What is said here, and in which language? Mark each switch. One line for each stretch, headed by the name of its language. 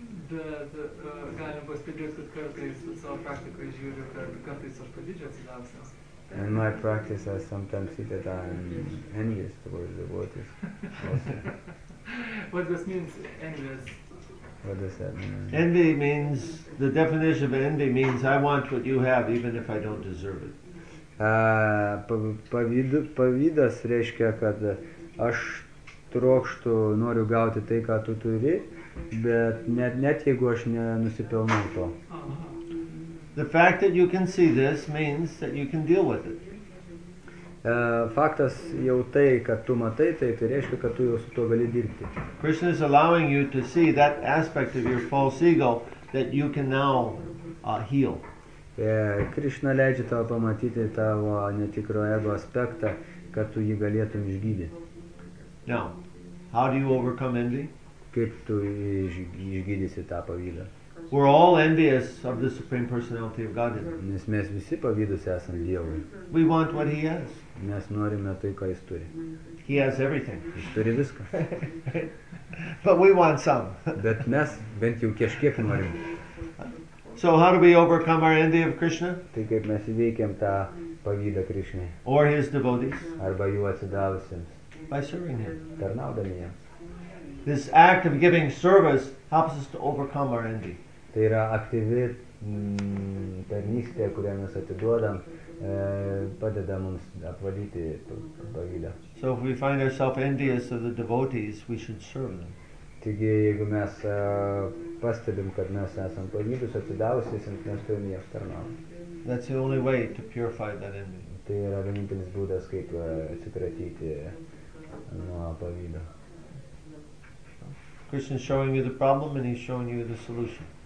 Lithuanian: Bet galim pastebėti, kad kartais savo praktikoje žiūriu, kartais aš pavydžiu atsidavusiams.
English: In my practice, I sometimes see that I'm envious towards the devotees. What does mean envious? What does that mean? Envy means, the definition of envy means, I want what you have, even if I don't deserve it.
Lithuanian: Pavydas reiškia, kad aš trokštu, noriu gauti tai, ką tu turi, bet net jeigu aš nenusipelnau to.
English: The fact that you can see this means that you can deal with it.
Lithuanian: Faktas jau tai, kad tu matai, tai reiškia, kad tu jau su tuo gali dirbti.
English: Krishna is allowing you to see that aspect of your false ego that you can now heal.
Lithuanian: Krishna leidžia tau pamatyti tavo netikro ego aspektą, kad tu jį galėtum išgydyti.
English: Now, how do you overcome envy?
Lithuanian: Kaip tu išgydysi tą pavydą?
English: We're all envious of the Supreme Personality of Godhead.
Lithuanian: Nes mes visi pavydus esam Dievui.
English: We want what he has.
Lithuanian: Mes norime tai, ką jis turi.
English: He has everything.
Lithuanian: Jis turi viską.
English: But we want some.
Lithuanian: Bet mes bent jau kažkiek norim.
English: So how do we overcome our envy of Krishna?
Lithuanian: Tai kaip mes įveikiam tą pavydą Krishnai.
English: Or his devotees.
Lithuanian: Arba jų atsidavusiems.
English: By serving him.
Lithuanian: Tarnaudami jiems.
English: This act of giving service helps us to overcome our envy.
Lithuanian: Tai yra aktyvi tarnystė, kurią mes atiduodam, padeda mums apvalyti pavydą.
English: So if we find ourselves envious of the devotees, we should serve them.
Lithuanian: Taigi, jeigu mes pastebim, kad mes esam pavydus atsidavusiais, mes turime jiems tarnauti.
English: That's the only way to purify that envy.
Lithuanian: Tai yra vienintelis būdas, kaip atsikratyti nuo pavydo.
English: Krishna is showing you the problem and he's showing you the solution.